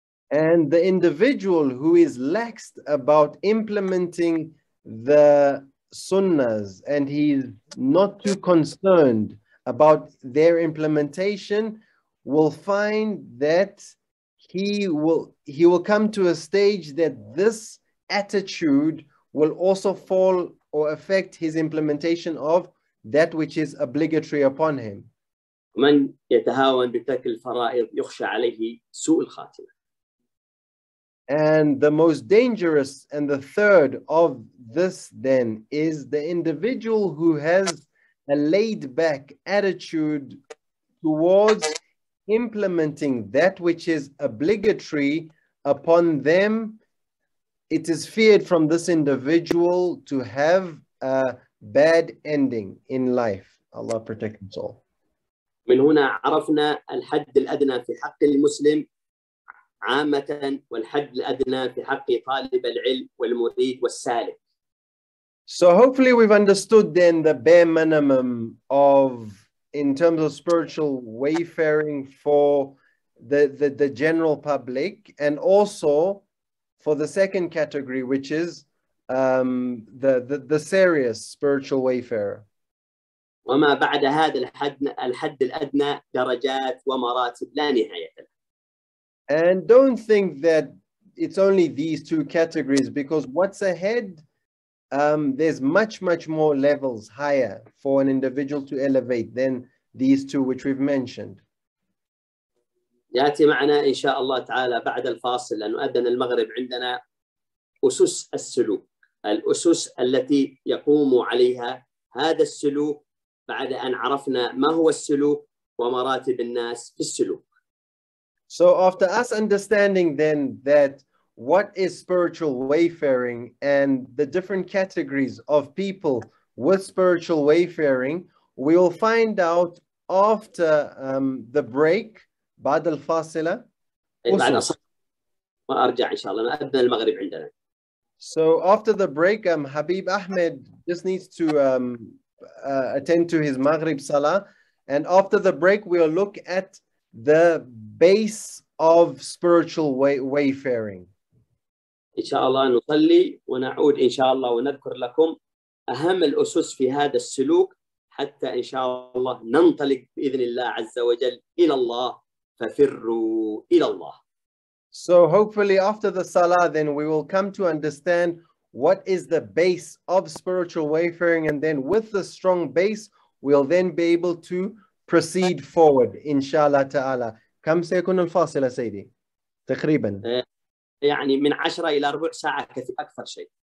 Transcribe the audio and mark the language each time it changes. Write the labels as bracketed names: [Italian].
[English] And the individual who is laxed about implementing the sunnahs and he's not too concerned about their implementation will find that he will come to a stage that this attitude will also fall or affect his implementation of that which is obligatory upon him. [Arabic] من يتهاون بترك الفرائض يخشى عليه سوء الخاتمة. [English] And the most dangerous and the third of this then is the individual who has a laid back attitude towards implementing that which is obligatory upon them. It is feared from this individual to have a bad ending in life. Allah protect us all. [Arabic] من هنا عرفنا الحد الأدنى في حق المسلم عامة والحد الأدنى في حق طالب العلم والمريد والسالك. [English] So hopefully we've understood then the bare minimum of in terms of spiritual wayfaring for the general public and also for the second category which is the serious spiritual wayfarer. [Arabic] وما بعد هذا الحد الأدنى درجات ومراتب لا نهاية. [English] And don't think that it's only these two categories because what's ahead, there's much, much more levels higher for an individual to elevate than these two which we've mentioned. [Arabic] يأتي معنا إن شاء الله تعالى بعد الفاصل لأنه أذن المغرب عندنا أسس السلوك الأسس التي يقوم عليها هذا السلوك بعد أن عرفنا ما هو السلوك ومراتب الناس في السلوك. [English] So after us understanding then that what is spiritual wayfaring and the different categories of people with spiritual wayfaring, we will find out after the break, [Arabic] بعد الفاصلة. بعد الفاصلة. وأرجع إن شاء الله. أذن المغرب عندنا. [English] So after the break, Habib Ahmed just needs to attend to his Maghrib Salah. And after the break, we'll look at the base of spiritual wayfaring. [Arabic] Inshallah, نصلي ونعود Inshallah ونذكر لكم أهم الأسس في هذا السلوك حتى Inshallah ننطلق بإذن الله عز وجل إلى الله ففروا إلى الله. [English] So hopefully after the salah, then we will come to understand what is the base of spiritual wayfaring. And then with the strong base, we'll then be able to proceed forward, inshallah ta'ala. [Arabic] كم سيكون الفاصلة سيدي؟ تقريبا. يعني من 10 إلى ربع ساعة أكثر شيء.